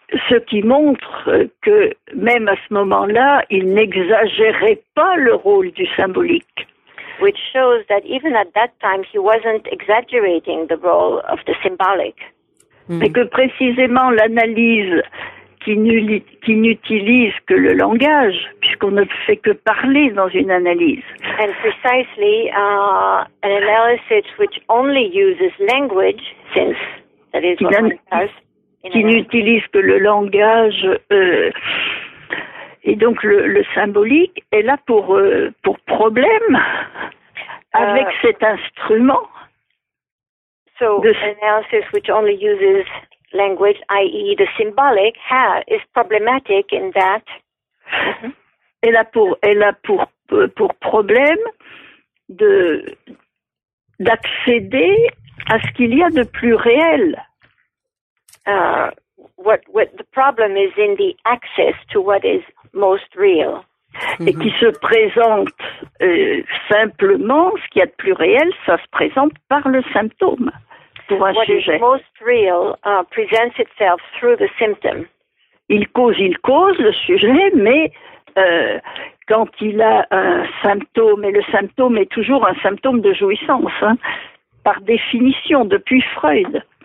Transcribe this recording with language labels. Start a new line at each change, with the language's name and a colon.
French: Ce qui montre que même à ce moment-là, il n'exagérait pas le rôle du symbolique.
English: Which shows that even at that time, he wasn't exaggerating the role of the symbolic. Mm.
French: Mais que précisément l'analyse qui n'utilise que le langage, puisqu'on ne fait que parler dans une analyse.
English: And precisely, an analysis which only uses language, since that is what one does.
French: Qui n'utilise que le langage, et donc le symbolique est là pour problème avec cet instrument.
English: So, an analysis which only uses language, i.e. the symbolic, is problematic in that.
French: Mm-hmm. Elle a pour problème d'accéder à ce qu'il y a de plus réel.
English: What the problem is in the access to what is most real.
French: Et qui se présente simplement, ce qu'il y a de plus réel, ça se présente par le symptôme, pour un
English: what
French: sujet.
English: What is most real presents itself through the symptom.
French: Il cause le sujet, mais quand il a un symptôme, et le symptôme est toujours un symptôme de jouissance, hein, par définition, depuis Freud.